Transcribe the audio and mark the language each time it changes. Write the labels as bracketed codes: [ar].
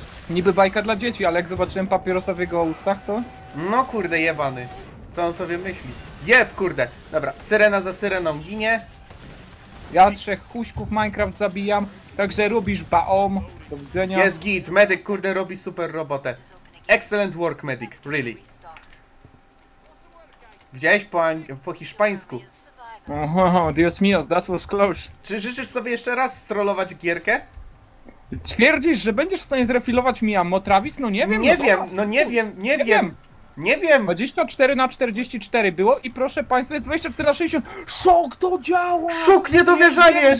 [pl] Niby bajka dla dzieci, ale jak zobaczyłem papierosa w jego ustach, to... No kurde, jebany. Co on sobie myśli? Jeb kurde. Dobra, syrena za syreną ginie. Ja trzech huśków Minecraft zabijam, także robisz baom. Do widzenia. Jest git, medic kurde robi super robotę. [en] Excellent work, medic, really. [pl] Widziałeś po hiszpańsku? [en] Oho, [es] Dios mio, [en] that was close. [pl] Czy życzysz sobie jeszcze raz strollować gierkę? Twierdzisz, że będziesz w stanie zrefilować mi ammo, Travis? No nie wiem. Nie wiem, no nie wiem, nie wiem. Nie wiem. 24 na 44 było i proszę państwa, jest 24 na 60. Szok, to działa! Szok, niedowierzanie!